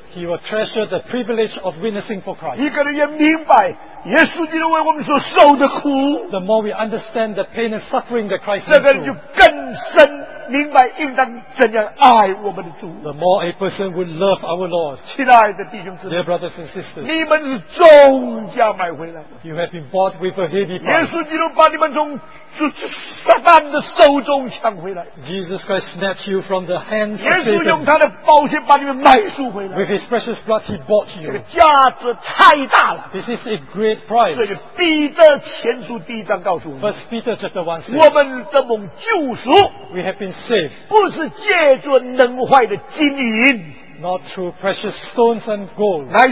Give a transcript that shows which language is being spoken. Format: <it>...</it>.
<en>he will treasure the privilege of witnessing for Christ.</en> <zh>一个人也明白耶稣基督为我们所受的苦,</zh> <en>the more we understand the pain and suffering that Christ went through,</en> <zh>这个人就更深明白应当怎样爱我们的主,</zh> <en>the more a person would love our Lord.</en> <zh>亲爱的弟兄姊妹,</zh> <en>dear brothers and sisters,</en> <zh>你们是重价买回来的,</zh> <en>you have been bought with a heavy price.</en> <zh>耶稣基督把你们从撒旦的手中抢回来,</zh> <en>Jesus Christ snatched you from the hands of Satan.</en> <zh>耶稣用他的宝血把你们买赎回来,</zh> <en>with his precious blood he bought you.</en> <zh>这个价值太大了,</zh> <en>this is a great price.</en> <zh>这个彼得前书第一章告诉我们,</zh> <en>First Peter chapter 1 says,</en> <zh>我们的蒙救赎,</zh> <en>we have been saved,</en> <zh>不是借着能坏的金银,</zh> <en>not through precious stones and gold,</en>